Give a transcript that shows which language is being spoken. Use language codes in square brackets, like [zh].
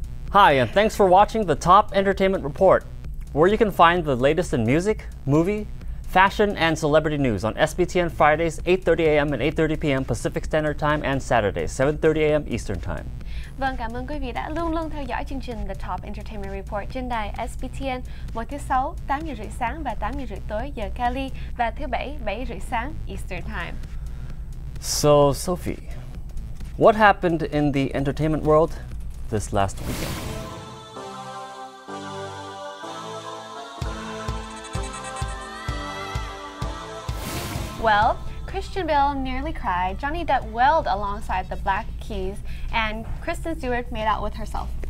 [en] Hi, and thanks for watching the Top Entertainment Report, where you can find the latest in music, movie, fashion, and celebrity news on SBTN Fridays, 8:30 a.m. and 8:30 p.m. Pacific Standard Time, and Saturdays, 7:30 a.m. Eastern Time. [vi] Vâng, cảm ơn quý vị đã luôn luôn theo dõi chương trình The Top Entertainment Report trên đài SBTN mỗi thứ 6, 8 giờ rưỡi sáng và 8 giờ rưỡi tối giờ Cali và thứ 7, 7 rưỡi sáng Eastern Time. [en] So, Sophie, what happened in the entertainment world this last weekend? Well, Christian Bale nearly cried, Johnny Depp wailed alongside the Black Keys, and Kristen Stewart made out with herself.